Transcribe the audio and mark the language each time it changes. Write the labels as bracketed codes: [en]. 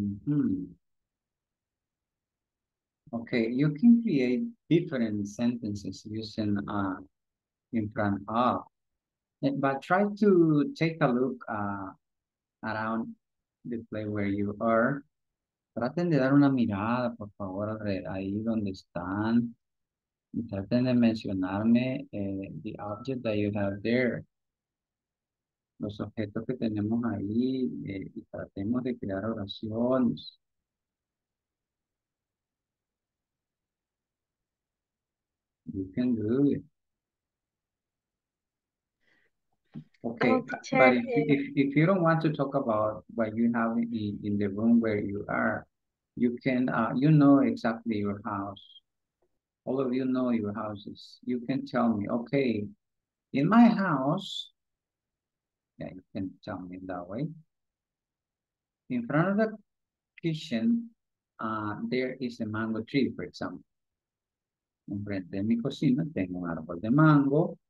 [en] Mm-hmm. Okay, you can create different sentences using in front of, but try to take a look around the place where you are. [es] Traten de dar una mirada, por favor, ahí donde están. Traten de mencionarme [en] the object that you have there. [es] Los objetos que tenemos ahí, y tratemos de crear oraciones. [en] You can do it. Okay, but if you don't want to talk about what you have in the room where you are, you can, you know exactly your house. All of you know your houses. You can tell me, okay, in my house, yeah, you can tell me that way. In front of the kitchen, there is a mango tree, for example. [es] En frente de mi cocina, tengo un árbol de mango.